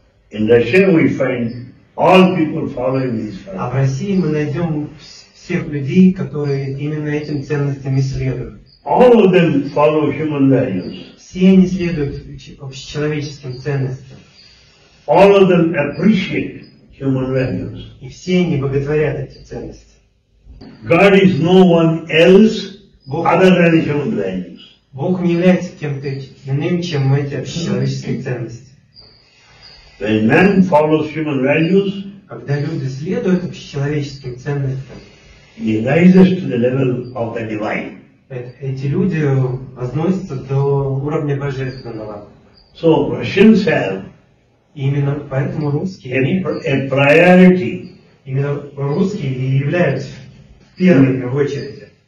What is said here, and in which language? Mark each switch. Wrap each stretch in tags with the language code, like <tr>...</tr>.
<en>In Russia we find all people following these values.</en> <ru>А в России мы найдем всех людей, которые именно этим ценностям следуют.</ru> <en>All of them follow human values.</en> <ru>Все они следуют общечеловеческим ценностям.</ru> <en>All of them appreciate human values.</en> <ru>И все они боготворят эти ценности.</ru> <en>God is no one else other than human values.</en> <ru>Бог не является кем-то иным, чем эти общечеловеческие ценности.</ru> <en>When man follows human values,</en> <ru>когда люди следуют общечеловеческим ценностям,</ru> <en>he rises to the level of the divine.</en> <ru>Эти люди возносятся до уровня божественного.</ru> <en>So Russians have</en> <ru>именно поэтому русские</ru> <en>a priority.</en> <ru>Именно русские и являются первыми в очереди.</ru>